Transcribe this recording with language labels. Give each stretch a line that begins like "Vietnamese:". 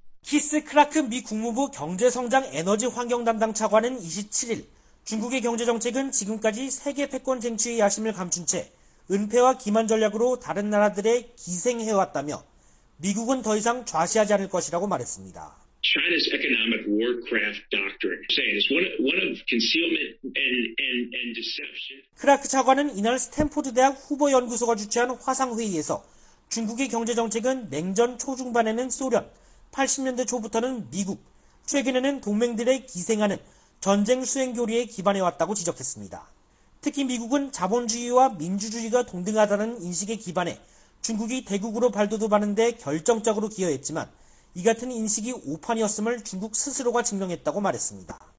Korean: 키스 크라크 미 국무부 경제성장 에너지 환경 담당 차관은 27일 중국의 경제정책은 지금까지 세계 패권 쟁취의 야심을 감춘 채 은폐와 기만 전략으로 다른 나라들에 기생해왔다며 미국은 더 이상 좌시하지 않을 것이라고 말했습니다.
English: China's economic warcraft doctrine saying it's one of concealment and deception.
Korean: 크라크 차관은 이날 스탠포드 대학 후보 연구소가 주최한 화상 회의에서 중국의 경제 정책은 냉전 초중반에는 소련, 80년대 초부터는 미국, 최근에는 동맹들의 기생하는 전쟁 수행 교리에 기반해 왔다고 지적했습니다. 특히 미국은 자본주의와 민주주의가 동등하다는 인식에 기반해 중국이 대국으로 발돋움하는 데 결정적으로 기여했지만 이 같은 인식이 오판이었음을 중국 스스로가 증명했다고 말했습니다.